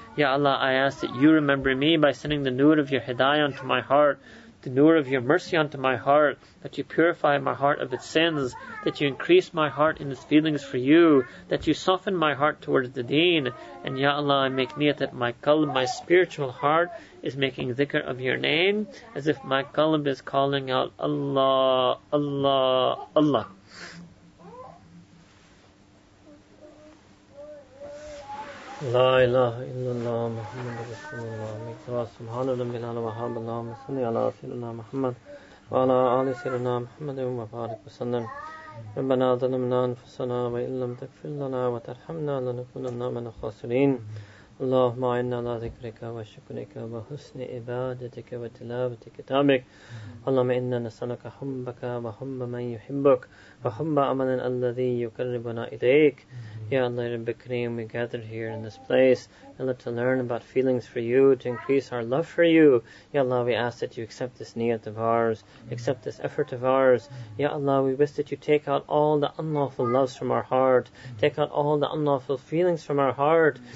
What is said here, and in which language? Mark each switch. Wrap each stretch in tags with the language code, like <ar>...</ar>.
<en>Ya Allah, I ask that you remember me by sending the nur of your hidayah onto my heart, the nur of your mercy onto my heart, that you purify my heart of its sins, that you increase my heart in its feelings for you, that you soften my heart towards the deen. And Ya Allah, I make niyat that my qalb, my spiritual heart, is making zikr of your name, as if my qalb is calling out Allah, Allah, Allah.</en> <ar>لا إله إلا الله محمد رسول الله سبحان الله وحمد الله صلى على سيدنا محمد وعلى آل سيدنا محمد وبارك وسلم ربنا ظلمنا أنفسنا وإن لم تغفر لنا وترحمنا لنكونن من الخاسرين اللهم إنا على ذكرك وشكرك وحسن عبادتك وتلاوة كتابك اللهم إنا نسألك حبك وحب من يحبك وحب عمل الذي يقربنا إليك.</ar> <en>Ya Allah, Rabbi Kareem, we gathered here in this place, Ya Allah, to learn about feelings for you, to increase our love for you. Ya Allah, we ask that you accept this niyat of ours, accept this effort of ours. Ya Allah, we wish that you take out all the unlawful loves from our heart, take out all the unlawful feelings from our heart.</en>